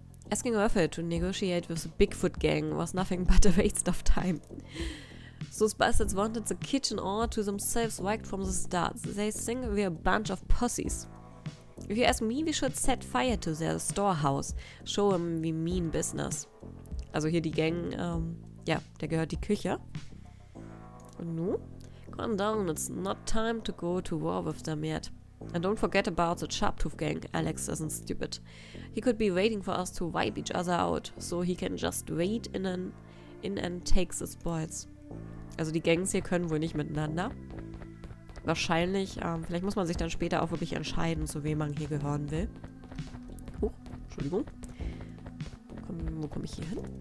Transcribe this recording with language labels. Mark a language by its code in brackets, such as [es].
[en] Asking Raphael to negotiate with the Bigfoot Gang was nothing but a waste of time. Those bastards wanted the kitchen all to themselves right from the start. They think we're a bunch of pussies. If you ask me, we should set fire to their storehouse. Show them we mean business. [de] Also hier die Gang, ja, der gehört die Küche. Und nun? [en] Calm down, it's not time to go to war with them yet. And don't forget about the Sharptooth Gang. Alex isn't stupid. He could be waiting for us to wipe each other out, so he can just wait in and take the spoils. [de] Also die Gangs hier können wohl nicht miteinander. Wahrscheinlich, vielleicht muss man sich dann später auch wirklich entscheiden, zu wem man hier gehören will. Huch, Entschuldigung. Wo komme ich hier hin?